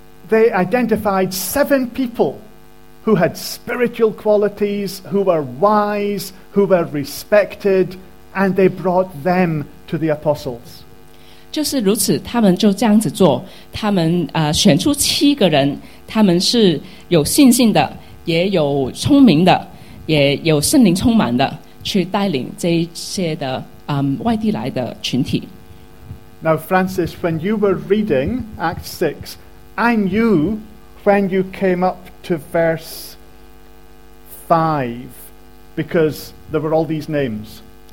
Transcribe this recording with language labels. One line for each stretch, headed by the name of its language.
English: They identified seven people who had spiritual qualities, who were wise, who were respected, and they brought them to the apostles.
Chinese: 就是如此, 他们就这样子做, 他们, 选出七个人, 他们是有信心的, 也有聪明的, 也有圣灵充满的, 去带领这些的, 外地来的群体。
English: Now, Francis, when you were reading Acts 6, I knew when you came up to verse 5 because there were all these names.